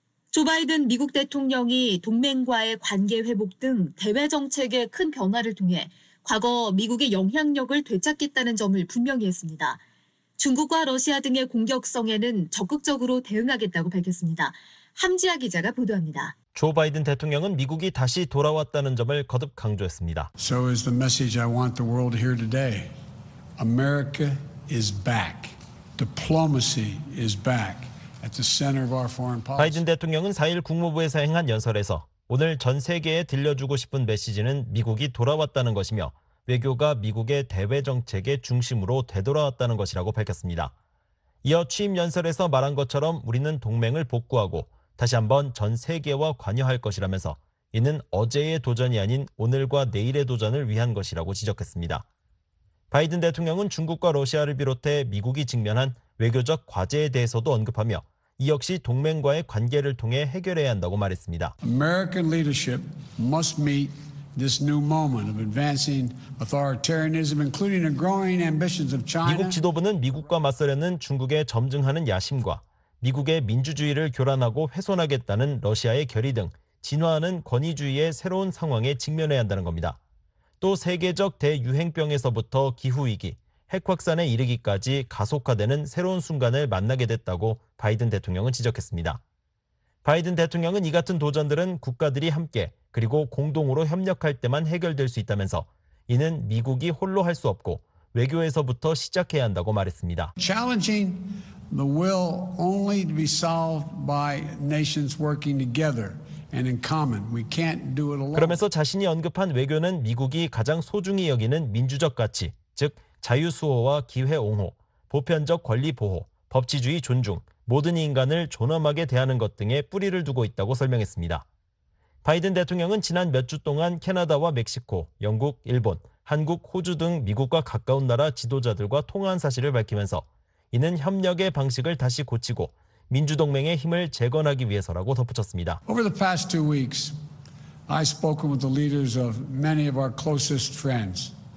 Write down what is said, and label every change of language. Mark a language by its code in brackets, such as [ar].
[ko] 조 바이든 미국 대통령이 동맹과의 관계 회복 등 대외 정책의 큰 변화를 통해 과거 미국의 영향력을 되찾겠다는 점을 분명히 했습니다. 중국과 러시아 등의 공격성에는 적극적으로 대응하겠다고 밝혔습니다. 함지아 기자가 보도합니다. 조 바이든 대통령은 미국이 다시 돌아왔다는 점을 거듭 강조했습니다. [en] So is the message I want the world to hear today. America is back. Diplomacy is back at the center of our foreign policy. [ko] 바이든 대통령은 4일 국무부에서 행한 연설에서 오늘 전 세계에 들려주고 싶은 메시지는 미국이 돌아왔다는 것이며 외교가 미국의 대외 정책의 중심으로 되돌아왔다는 것이라고 밝혔습니다. 이어 취임 연설에서 말한 것처럼 우리는 동맹을 복구하고 다시 한번 전 세계와 관여할 것이라면서 이는 어제의 도전이 아닌 오늘과 내일의 도전을 위한 것이라고 지적했습니다. 바이든 대통령은 중국과 러시아를 비롯해 미국이 직면한 외교적 과제에 대해서도 언급하며 이 역시 동맹과의 관계를 통해 해결해야 한다고 말했습니다. [en] American leadership must meet this new moment of advancing authoritarianism, including the growing ambitions of China. [ko] 미국 지도부는 미국과 맞서려는 중국의 점증하는 야심과 미국의 민주주의를 교란하고 훼손하겠다는 러시아의 결의 등 진화하는 권위주의의 새로운 상황에 직면해야 한다는 겁니다. 또 세계적 대유행병에서부터 기후위기, 핵확산에 이르기까지 가속화되는 새로운 순간을 만나게 됐다고 바이든 대통령은 지적했습니다. 바이든 대통령은 이 같은 도전들은 국가들이 함께 그리고 공동으로 협력할 때만 해결될 수 있다면서 이는 미국이 홀로 할 수 없고 외교에서부터 시작해야 한다고 말했습니다. [en] Challenging the will only to be solved by nations working together and in common. We can't do it alone. [ko] 그러면서 자신이 언급한 외교는 미국이 가장 소중히 여기는 민주적 가치, 즉 자유수호와 기회 옹호, 보편적 권리 보호, 법치주의 존중, 모든 인간을 존엄하게 대하는 것 등의 뿌리를 두고 있다고 설명했습니다. 바이든 대통령은 지난 몇 주 동안 캐나다와 멕시코, 영국, 일본, 한국, 호주 등 미국과 가까운 나라 지도자들과 통화한 사실을 밝히면서 이는 협력의 방식을 다시 고치고 민주동맹의 힘을 재건하기 위해서라고 덧붙였습니다. [en] Over the past two weeks, I've spoken with the leaders of many of our closest friends.